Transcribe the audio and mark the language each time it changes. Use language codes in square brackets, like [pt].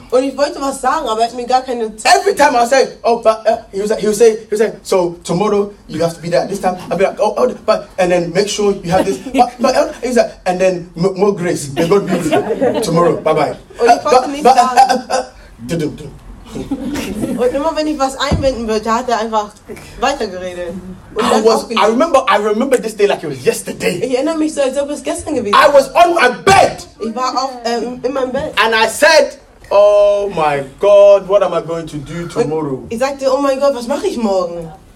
[de] Und ich wollte was sagen, aber er hat mir gar keine Zeit. [en] Every time I say, oh, but he was saying, so tomorrow you have to be there at this time. I'd be like, oh, Elder, but and then make sure you have this. But Elder, he was like, and then more grace, may God be with you tomorrow. Bye bye. [de] Und immer wenn ich was einwenden würde, hat er einfach weitergeredet. [en] I remember this day like it was yesterday. [de] Ich erinnere mich so, als ob es gestern gewesen wäre. [en] I was on my bed. [de] Ich war auf in meinem Bett. [en] And I said, oh my God, what am I going to do tomorrow? [de] Und ich sagte, [en] oh my God, [de] was mache ich morgen?